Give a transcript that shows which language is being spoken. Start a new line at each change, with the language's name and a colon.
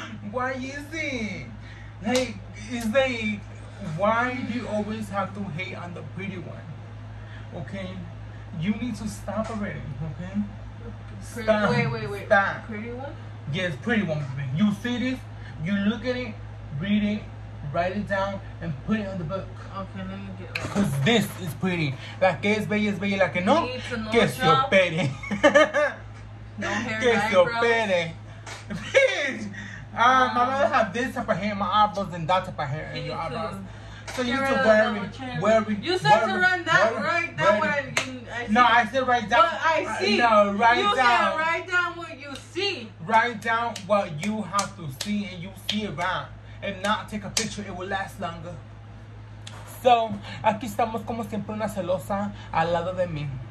English: Why is it? Like, it's like, why do you always have to hate on the pretty one? Okay? You need to stop already, okay? Stop. Wait. Stop. Pretty one? Yes, pretty woman. You see this, you look at it, read it, write it down, and put it on the book. Okay, let me get it. Because this is pretty.
Spanish: La que es bella, la que no, que se opere.
English: No hair,
Spanish: que se opere.
English: Bitch! I'm going to have this type of hair in my eyebrows and that type of hair in your eyebrows. So you need to wear it. You said to run that, write that one. No, I said write down. But I see. No, write you down. You said write down what you see. Write down what you have to see and you see around. And not take a picture, it will last longer. So,
Spanish: aquí estamos como siempre una celosa al lado de mí.